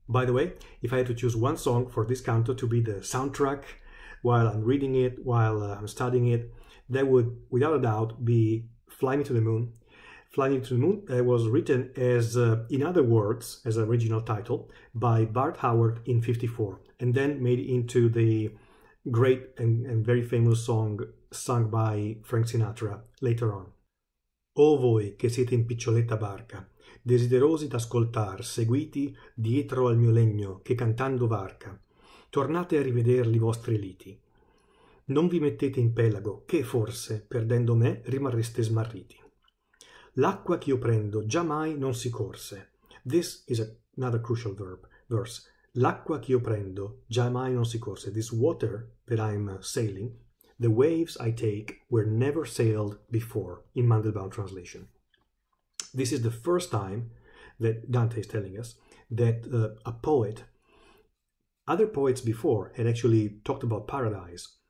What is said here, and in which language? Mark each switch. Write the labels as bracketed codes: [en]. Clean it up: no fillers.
[en] By the way, if I had to choose one song for this canto to be the soundtrack while I'm reading it, while I'm studying it, that would without a doubt be Fly Me to the Moon. Fly Me to the Moon was written as, in other words, as an original title by Bart Howard in 54, and then made into the great and very famous song sung by Frank Sinatra later on. [it] O voi che siete in piccioletta barca, desiderosi d'ascoltar, seguiti dietro al mio legno che cantando varca, tornate a rivedere i vostri liti. Non vi mettete in pelago, che forse, perdendo me, rimarreste smarriti. L'acqua che io prendo giammai non si corse. [en] This is another crucial verse. [it] L'acqua che io prendo giammai non si corse. [en] This water that I'm sailing, the waves I take were never sailed before, in Mandelbaum translation. This is the first time that Dante is telling us that a poet, other poets before, had actually talked about paradise.